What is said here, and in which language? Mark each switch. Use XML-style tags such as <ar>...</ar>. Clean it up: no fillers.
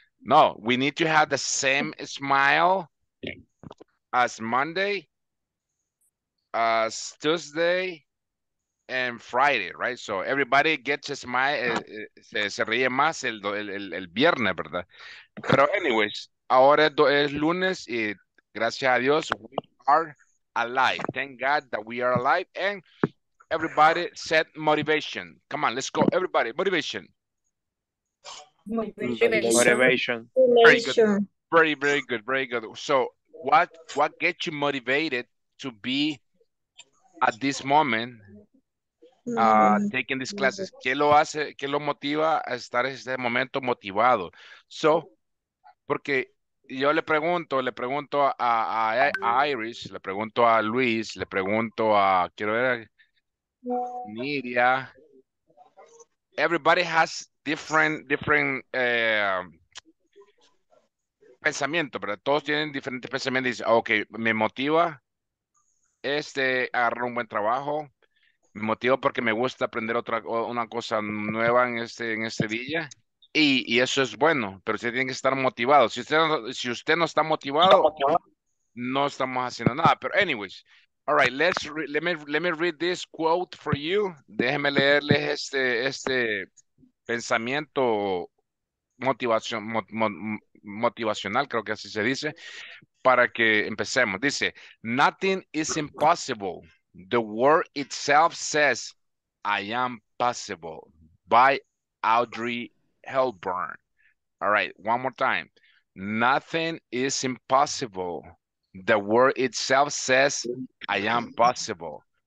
<en>No, we need to have the same smile as Monday, as Tuesday, and Friday, right? So everybody gets a smile,</en> <es>se ríe más el viernes, ¿verdad? Pero anyways, ahora es lunes y gracias a Dios,</es> <en>we are alive. Thank God that we are alive. And everybody said motivation. Come on, let's go. Everybody, motivation. Motivation. Very good. Very, very good. Very good. So what gets you motivated to be at this moment taking these classes?</en> <es>¿Qué lo hace, qué lo motiva a estar en este momento motivado? So, porque yo le pregunto a Iris, le pregunto a Luis, le pregunto a, quiero ver, a Nidia.</es> <en>Everybody has different</en> <es>pensamiento, pero todos tienen diferentes pensamientos. Dice, okay, me motiva agarrar un buen trabajo. Me motivo porque me gusta aprender una cosa nueva en este día. Y eso es bueno, pero usted tiene que estar motivado. Si usted no está motivado, no estamos haciendo nada.</es> <en>Pero anyways, all right, let me read this quote for you.</en> <es>Déjeme leerles este pensamiento motivacional, creo que así se dice, para que empecemos.</es> <en>Dice, nothing is impossible. The word itself says, I am possible, by Audrey Hepburn. All right, one more time. Nothing is impossible. The word itself says, I am possible.</en>